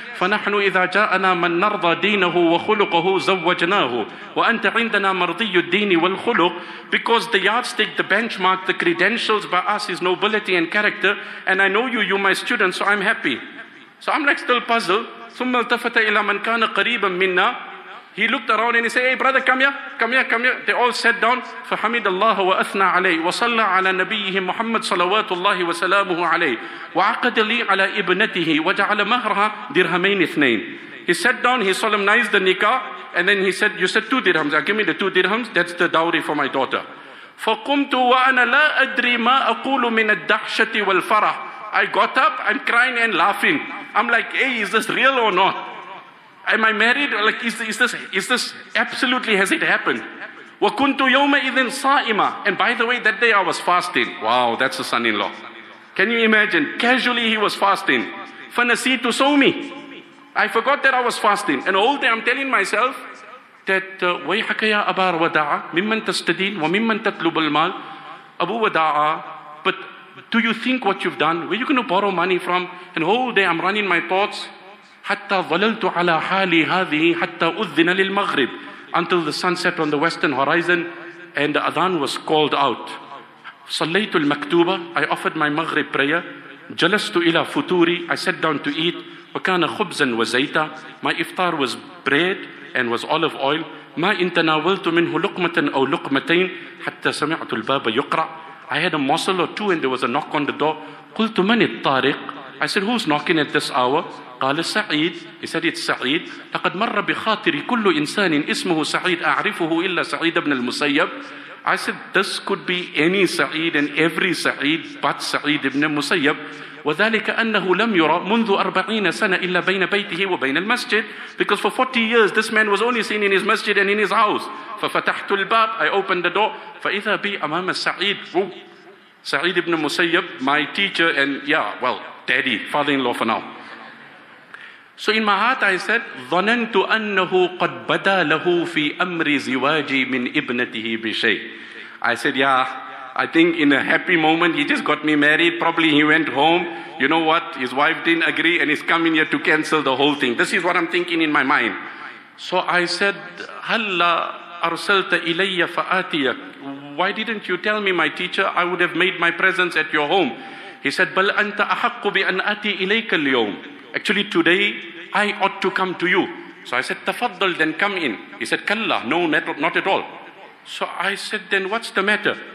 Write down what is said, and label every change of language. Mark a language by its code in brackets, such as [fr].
[ar] فَنَحْنُ إِذَا جَاءَنَا مَنْ نَرْضَى دِينَهُ وَخُلُقَهُ زَوَّجْنَاهُ وَأَنْتَ عِنْدَنَا مَرْضِيُّ الدِّينِ وَالْخُلُقُ. [en] Because the yardstick, the benchmark, the credentials by us is nobility and character, and I know you, you're my student, so I'm happy. So I'm like still puzzled. [ar] ثُمَّ الْتَفَتَ إِلَى مَنْ كَانَ قَرِيبًا مِنَّا. [en] He looked around and he said, hey brother, come here, come here, come here. They all sat down. [ar] فحمد الله وأثنى عليه وصلى على نبيه محمد صلوات الله وسلامه عليه وعقد لي على ابنته وجعل مهرها درهمين اثنين. [en] He sat down, he solemnized the nikah, and then he said, you said 2 dirhams. Give me the 2 dirhams. That's the dowry for my daughter. [ar] فقمت وأنا لا أدري ما أقول من الدهشة والفرح. [en] I got up, I'm crying and laughing. I'm like, hey, is this real or not? Am I married? Like, is this absolutely, has it happened? [ar] وَكُنْتُ يَوْمَ إِذٍ صَائِمًا. [en] And by the way, that day I was fasting. Wow, that's a son-in-law. Can you imagine? Casually he was fasting. [ar] فَنَسِيتُ صَوْمِ. [en] I forgot that I was fasting. And all day I'm telling myself that [ar] وَيْحَكَ يَا أَبَا وَدَعَ مِمَّنْ تَسْتَدِينَ وَمِمَّنْ تَطْلُبَ الْمَالِ أَبُو وَدَعَ. [en] But do you think what you've done? Where are you going to borrow money from? And all day I'm running my thoughts. [ar] حتى ظللت على حالي هذه حتى أذن للمغرب. [en] Until the sun set on the western horizon and the adhan was called out. [ar] صليت المكتوبة. [en] I offered my maghrib prayer. [ar] جلست إلى فطوري. [en] I sat down to eat. [ar] وكان خبزا وزيتا. [en] My iftar was bread and was olive oil. [ar] ما إن تناولت منه لقمة أو لقمتين حتى سمعت الباب يقرأ. [en] I had a morsel or two and there was a knock on the door. [ar] قلت من الطارق. [en] I said, who's knocking at this hour? [ar] قال سعيد. [en] He said, it's سعيد. [ar] لقد مر بخاطري كل إنسان اسمه سعيد أعرفه إلا سعيد بن المسيب. [en] I said, this could be any سعيد and every سعيد but سعيد بن المسيب. [ar] وذلك أنه لم يرى منذ 40 سنة إلا بين بيته وبين المسجد. [en] Because for 40 years this man was only seen in his masjid and in his house. [ar] ففتحت الباب. [en] I opened the door. [ar] فإذا بي أمام سعيد. [en] سعيد بن المسيب, my teacher and yeah, well, daddy, father-in-law for now. So in my heart I said, [ar] ظَنَنْتُ أَنَّهُ قَدْ بَدَى لَهُ فِي أَمْرِ زِوَاجِ مِنْ إِبْنَتِهِ بِشَيْءٍ. [en] I said, yeah, I think in a happy moment he just got me married. Probably he went home. You know what? His wife didn't agree and he's coming here to cancel the whole thing. This is what I'm thinking in my mind. So I said, [ar] هَلَّا أَرْسَلْتَ إِلَيَّ فَآتِيَكَ. [en] Why didn't you tell me, my teacher? I would have made my presence at your home. He said, [ar] بَلْ أَنْتَ أَحَقُّ بِأَنْ أَتِي إِلَيْكَ الْيَوْمِ. [en] Actually, today, I ought to come to you. So I said, [ar] تَفَضَّلْ, [en] then come in. He said, [ar] كَلَّا, [en] no, not at all. So I said, then what's the matter?